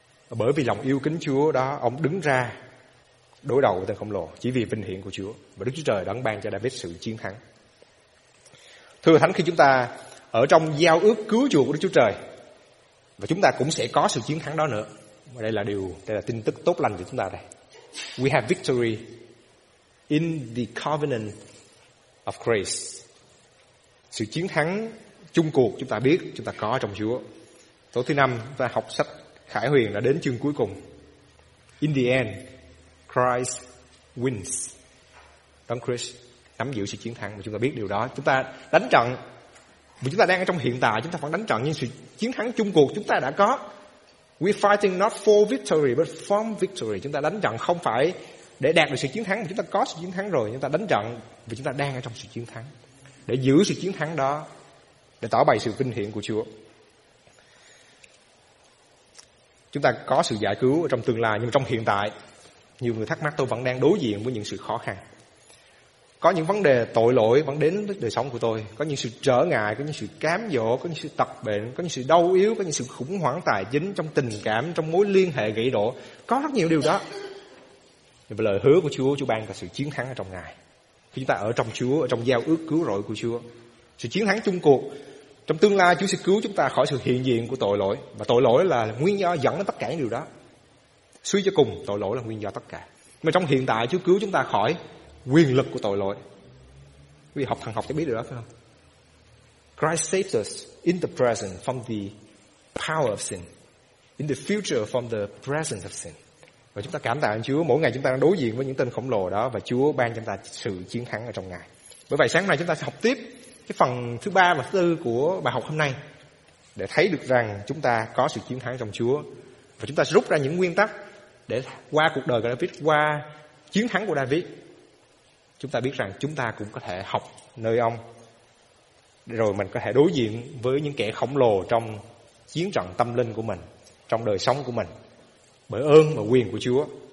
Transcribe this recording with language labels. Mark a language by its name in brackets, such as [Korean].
[Vietnamese] Bởi vì lòng yêu kính Chúa đó, ông đứng ra đối đầu với tên khổng lồ chỉ vì vinh hiển của Chúa, và Đức Chúa Trời đã ban cho David sự chiến thắng. Thưa Thánh, khi chúng ta ở trong giao ước cứu chuộc của Đức Chúa Trời, và chúng ta cũng sẽ có sự chiến thắng đó nữa. Và đây là tin tức tốt lành của chúng ta đây. [English] We have victory in the covenant of grace. [Vietnamese] Sự chiến thắng chung cuộc chúng ta biết chúng ta có trong Chúa. Tối thứ năm chúng ta học sách Khải Huyền đã đến chương cuối cùng. [English] In the end, Christ wins. [Vietnamese] Đấng Christ nắm giữ sự chiến thắng, mà chúng ta biết điều đó. Chúng ta đánh trận, vì chúng ta đang ở trong hiện tại, chúng ta vẫn đánh trận, nhưng sự chiến thắng chung cuộc chúng ta đã có. [English] We fighting not for victory but from victory. [Vietnamese] Chúng ta đánh trận không phải để đạt được sự chiến thắng, mà chúng ta có sự chiến thắng rồi. Chúng ta đánh trận vì chúng ta đang ở trong sự chiến thắng, để giữ sự chiến thắng đó, để tỏ bày sự vinh hiển của Chúa. Chúng ta có sự giải cứu ở trong tương lai, nhưng trong hiện tại nhiều người thắc mắc, tôi vẫn đang đối diện với những sự khó khăn. Có những vấn đề tội lỗi vẫn đến với đời sống của tôi. Có những sự trở ngại, có những sự cám dỗ, có những sự tật bệnh, có những sự đau yếu, có những sự khủng hoảng tài chính, trong tình cảm, trong mối liên hệ gãy đổ. Có rất nhiều điều đó. Nhưng mà lời hứa của Chúa, Chúa ban cho sự chiến thắng ở trong Ngài. Khi chúng ta ở trong Chúa, ở trong giao ước cứu rỗi của Chúa, sự chiến thắng chung cuộc. Trong tương lai, Chúa sẽ cứu chúng ta khỏi sự hiện diện của tội lỗi. Và tội lỗi là nguyên do dẫn đến tất cả những điều đó. Suy cho cùng, tội lỗi là nguyên do tất cả. Mà trong hiện tại, Chúa cứu chúng ta khỏi quyền lực của tội lỗi. Vì học thần học thì biết được đó, phải không? [English] Christ saves us in the present from the power of sin, in the future from the presence of sin. [Vietnamese] Và chúng ta cảm tạ Chúa, mỗi ngày chúng ta đang đối diện với những tên khổng lồ đó, và Chúa ban cho chúng ta sự chiến thắng ở trong Ngài. Bởi vậy sáng nay chúng ta sẽ học tiếp cái phần thứ 3 và thứ 4 của bài học hôm nay, để thấy được rằng chúng ta có sự chiến thắng trong Chúa. Và chúng ta sẽ rút ra những nguyên tắc để qua cuộc đời của David, qua chiến thắng của David, chúng ta biết rằng chúng ta cũng có thể học nơi ông, rồi mình có thể đối diện với những kẻ khổng lồ trong chiến trận tâm linh của mình, trong đời sống của mình, bởi ơn và quyền của Chúa.